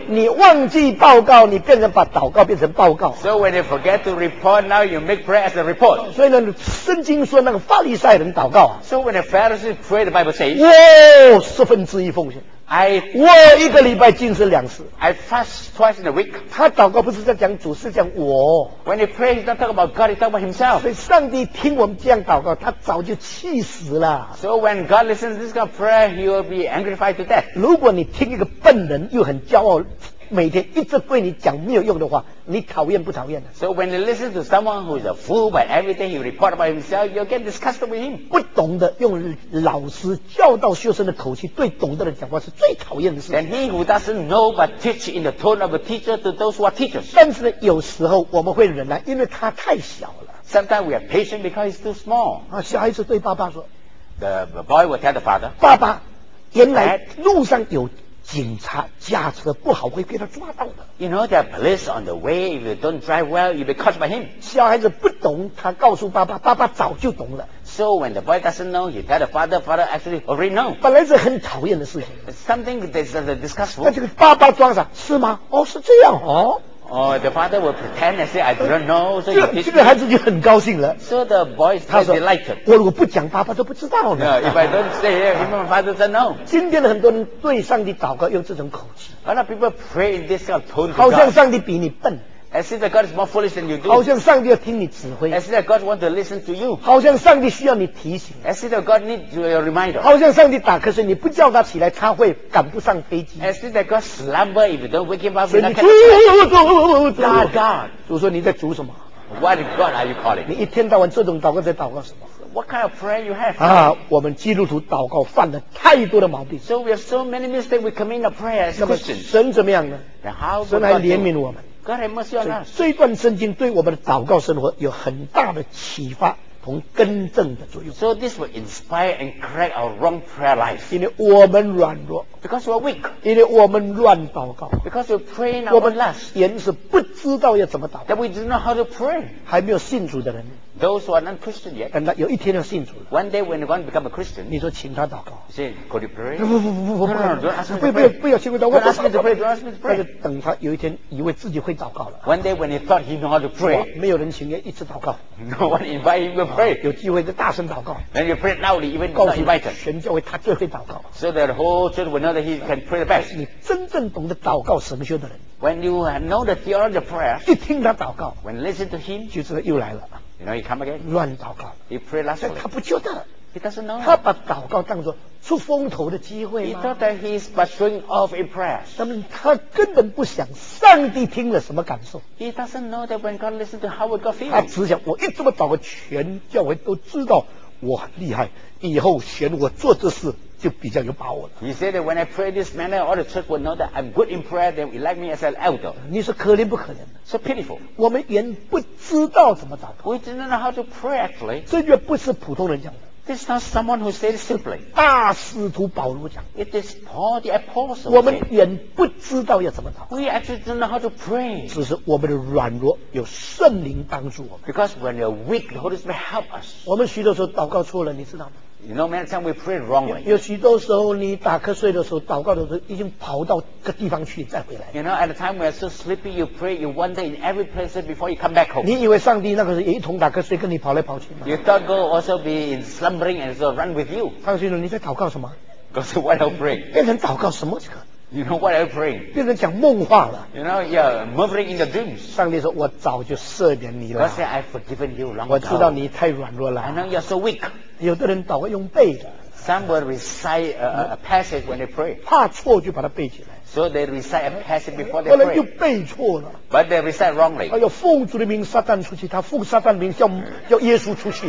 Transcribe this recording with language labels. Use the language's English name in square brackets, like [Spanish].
[Chinese] 你忘记报告，你变成把祷告变成报告。 [English] So when you forget to report, now you make prayer as a report. [Chinese] 所以呢，圣经说那个法利赛人祷告。 [English] So when the Pharisees pray, the Bible says, [Chinese] 哇，十分之一奉献。我一个礼拜进食两次。 [English] I fast twice in a week. [Chinese] 他祷告不是在讲主，是讲我。 [English] When he prays, he's not talking about God, he's talking about himself. [Chinese] 所以上帝听我们这样祷告，他早就气死了。 [English] So when God listens to this kind of prayer, he will be angrified to death. [Chinese] 如果你听一个笨人又很骄傲，每天一直对你讲没有用的话，你讨厌不讨厌呢 [English] ？So when you listen to someone who is a fool, but everything he report about himself, you get disgusted with him. [Chinese] 不懂得用老师教导学生的口气对懂得人讲话是最讨厌的事。 [English] And he who doesn't know but teach in the tone of a teacher to those who are teachers. [Chinese] 但是呢，有时候我们会忍耐，因为他太小了。 [English] Sometimes we are patient because he's too small. [Chinese] 啊，小孩子对爸爸说 [English] ，The boy will tell the father, [Chinese] 爸爸，原来路上有。警察驾车不好会被他抓到的。 [English] You know that police on the way, if you don't drive well, you'll be caught by him. [Chinese] 小孩子不懂，他告诉爸爸，爸爸早就懂了。 [English] So when the boy doesn't know, he tell the father, father actually already know. [Chinese] 本来是很讨厌的事情。 [English] Something that's disgusting. [Chinese] 那这个爸爸装傻，是吗？哦，是这样哦。 [English] Oh, the father will pretend and say, I don't know. So [Chinese] 这个孩子就很高兴了。 [English] So the boy is delighted. [Chinese] 我如果不讲，爸爸都不知道呢。 [English] No, if I don't say, my father doesn't know. [Chinese] 今天的很多人对上帝祷告用这种口气。 [English] A lot of people pray in this kind of tone to God. [Chinese] 好像上帝比你笨。 [English] It seems that God is more foolish than you do. [Chinese] 好像上帝要听你指挥。 [English] It seems that God wants to listen to you. [Chinese] 好像上帝需要你提醒。 [English] It seems that God needs your reminder. [Chinese] 好像上帝打瞌睡，你不叫他起来，他会赶不上飞机。 [English] It seems that God slumber if you don't wake him up. [Chinese] 所以你主 [English] ，God, God. [Chinese] 主说你在主什么？ [English] What God are you calling? [Chinese] 你一天到晚这种祷告在祷告什么 [English] ？What kind of prayer you have? [Chinese] 啊，我们基督徒祷告犯了太多的毛病。 [English] So we have so many mistakes we commit in the prayer as Christians. [Chinese] 那么神怎么样呢？神还怜悯我们。 [English] God have mercy on us. [Chinese] 这一段圣经对我们的祷告生活有很大的启发和更正的作用。 [English] So this will inspire and correct our wrong prayer life. [Chinese] 因为我们软弱。 [English] Because we are weak. [Chinese] 因为我们乱祷告。 [English] Because we pray in our lust. [Chinese] 我们原是不知道要怎么祷告。 [English] That we do not know how to pray. [Chinese] 还没有信主的人。 [English] Those who are not Christian yet. [Chinese] 等到有一天要信主。 [English] One day when one become a Christian. [Chinese] 你说请他祷告。 [English] Say, could you pray? [Chinese] 不，不要请他祷告。 [English] Don't ask me to pray. Don't ask me to pray. [Chinese] 但是等他有一天以为自己会祷告了。 [English] One day when he thought he knew how to pray. [Chinese] 没有人请他一次祷告。 [English] No one invite him to pray. [Chinese] 有机会就大声祷告。 [English] Then you pray loudly even not invited. [Chinese] 全教会他最会祷告。 [English] So that whole church will know that he can pray the best. [Chinese] 你真正懂得祷告神学的人。 [English] When you know the theology of prayer. [Chinese] 一听他祷告。 [English] When listen to him. [Chinese] 就知道又来了。 [English] You know, he come again. [Chinese] 乱祷告。 [English] He pray last week. [Chinese] 他不觉得。 [English] He doesn't know. [Chinese] 他把祷告当作出风头的机会。 [English] He thought that he's but showing off in prayer. [Chinese] 他根本不想上帝听了什么感受。 [English] He doesn't know that when God listened to how God feels. [Chinese] 他只想我一这么祷告，全教会都知道我很厉害，以后选我做这事就比较有把握了。 [English] He said that when I pray this manner, all the church will know that I'm good in prayer. They will like me as an elder. [Chinese] 你说可怜不可怜？ [English] So pitiful. [Chinese] 我们原不知道怎么祷告。 [English] We didn't know how to pray actually. [Chinese] 这句不是普通人讲的。 [English] This is not someone who said it simply. [Chinese] 大使徒保罗讲。 [English] It is Paul the apostle. [Chinese] 我们原不知道要怎么祷告。 [English] We actually didn't know how to pray. [Chinese] 只是我们的软弱有圣灵帮助我们。 [English] Because when we're weak, the Holy Spirit help us. [Chinese] 我们许多时候祷告错了，你知道吗？ [English] You know, many times we pray wrongly. [Chinese] 有许多时候，你打瞌睡的时候，祷告的时候，已经跑到个地方去，再回来。 [English] You know, at the time we are so sleepy, you pray, you wander in every place before you come back home. [Chinese] 你以为上帝那个时候也一同打瞌睡，跟你跑来跑去吗 [English] ？You thought God also be in slumbering and so run with you? [Chinese] 上帝说你在祷告什么 [English] ？God said, "What are you praying?" [Chinese] 变成祷告什么去？ [English] You know what I pray? [Chinese] 变成讲梦话了。 [English] You know, yeah, murmuring in the dreams. [Chinese] 上帝说，我早就赦免你了。 [English] God said, I've forgiven you long ago. [Chinese] 我知道你太软弱了。 [English] I know you're so weak. [Chinese] 有的人祷告用背的。 [English] Some will recite a passage when they pray. [Chinese] 怕错就把它背起来。 [English] So they recite a passage before they pray. [Chinese] 后来又背错了。 [English] But they recite wrongly. [Chinese] 要奉主的名撒旦出去，他奉撒旦名叫耶稣出去。